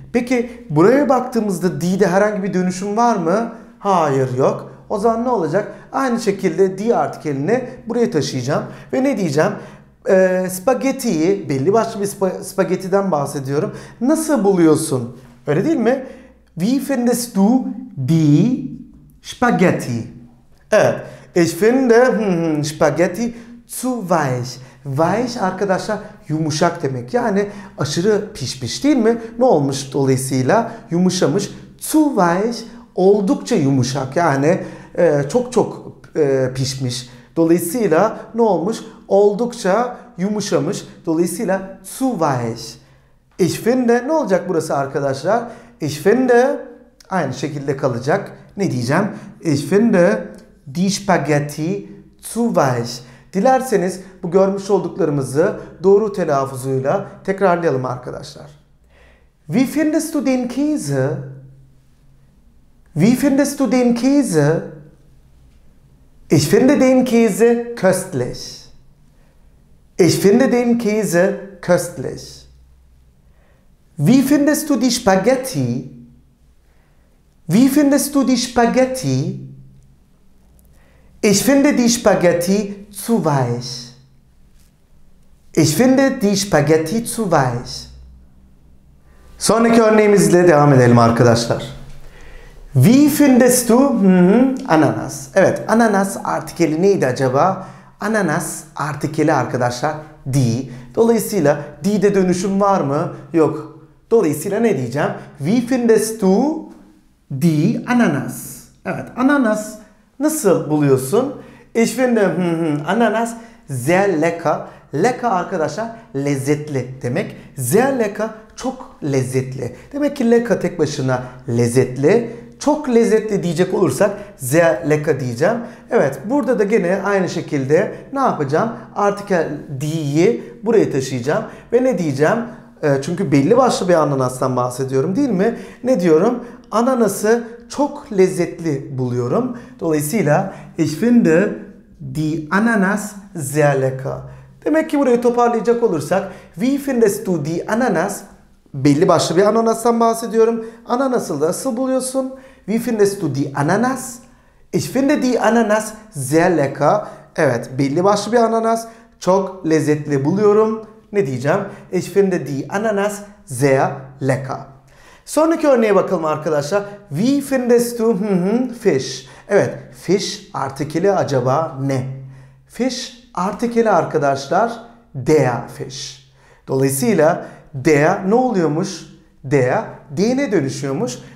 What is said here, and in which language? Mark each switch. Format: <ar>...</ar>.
<tr>Peki buraya baktığımızda die'de herhangi bir dönüşüm var mı? Hayır, yok. O zaman ne olacak? Aynı şekilde die artikelini buraya taşıyacağım ve ne diyeceğim? Spaghetti'yi, belli başlı bir spagettiden bahsediyorum. Nasıl buluyorsun? Öyle değil mi?</tr> <de>Wie findest du die Spaghetti? Evet. Ich finde Spaghetti zu weich.</de> <tr>Weich arkadaşlar yumuşak demek. Yani aşırı pişmiş, değil mi? Ne olmuş dolayısıyla? Yumuşamış.</tr> <de>Zu weich</de> <tr>oldukça yumuşak. Yani çok çok pişmiş. Dolayısıyla ne olmuş? Oldukça yumuşamış. Dolayısıyla</tr> <de>zu weich. Ich finde</de> <tr>ne olacak burası arkadaşlar?</tr> <de>Ich finde</de> <tr>aynı şekilde kalacak. Ne diyeceğim?</tr> <de>Ich finde Die Spaghetti zu weich.</de> <tr>Dilerseniz bu görmüş olduklarımızı doğru telaffuzuyla tekrarlayalım arkadaşlar.</tr> <de>Wie findest du den Käse? Wie findest du den Käse? Ich finde den Käse köstlich. Ich finde den Käse köstlich. Wie findest du die Spaghetti? Wie findest du die Spaghetti? Ich finde die Spaghetti zu weich. Ich finde die Spaghetti zu weich.</de> <tr>Sonraki örneğimizle devam edelim arkadaşlar.</tr> <de>Wie findest du Ananas?</de> <tr>Evet, ananas artikeli neydi acaba? Ananas artikeli arkadaşlar, die. Dolayısıyla die'de dönüşüm var mı? Yok. Dolayısıyla ne diyeceğim?</tr> <de>Wie findest du die Ananas?</de> <tr>Evet, ananas nasıl buluyorsun?</tr> <de>Ich finde Ananas sehr lecker.</de> <tr>Lecker arkadaşlar lezzetli demek.</tr> <de>Sehr lecker</de> <tr>çok lezzetli. Demek ki lecker tek başına lezzetli. Çok lezzetli diyecek olursak</tr> <de>sehr lecker</de> <tr>diyeceğim. Evet, burada da gene aynı şekilde ne yapacağım? Artikel die'yi buraya taşıyacağım. Ve ne diyeceğim? Çünkü belli başlı bir ananastan bahsediyorum değil mi? Ne diyorum? Ananası çok lezzetli buluyorum.</tr> <de>Dolayısıyla ich finde die Ananas sehr lecker.</de> <tr>Demek ki burayı toparlayacak olursak</tr> <de>wie findest du die Ananas?</de> <tr>Belli başlı bir ananastan bahsediyorum. Ananası nasıl buluyorsun?</tr> <de>Wie findest du die Ananas? Ich finde die Ananas sehr lecker.</de> <tr>Evet, belli başlı bir ananas. Çok lezzetli buluyorum. Ne diyeceğim?</tr> <de>Ich finde die Ananas sehr lecker.</de> <tr>Sonraki örneğe bakalım arkadaşlar.</tr> <de>Wie findest du fish?</de> <tr>Evet, fish artikeli acaba ne? Fish artikeli arkadaşlar der fish. Dolayısıyla der ne oluyormuş? Der, die'ne dönüşüyormuş.</tr>